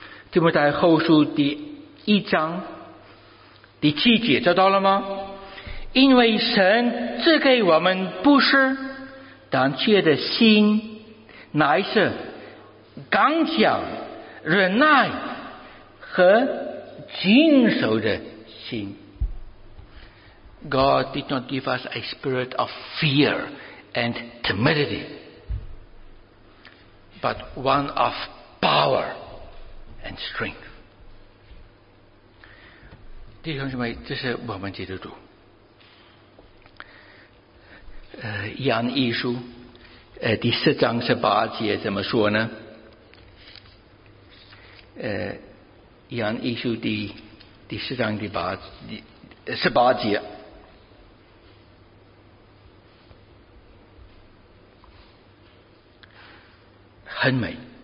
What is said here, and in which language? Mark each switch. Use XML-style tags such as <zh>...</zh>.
<zh>提摩太后书第一章第七节，找到了吗？因为神赐给我们不是胆怯的心，乃是刚强、忍耐和谨守的心。</zh> <en>God did not give us a spirit of fear and timidity, but one of power and strength.</en> <zh>弟兄姊妹，这是我们基督徒。以弗所书第四章十八节怎么说呢？以翰一书第四章第八第十八节，很美。</zh>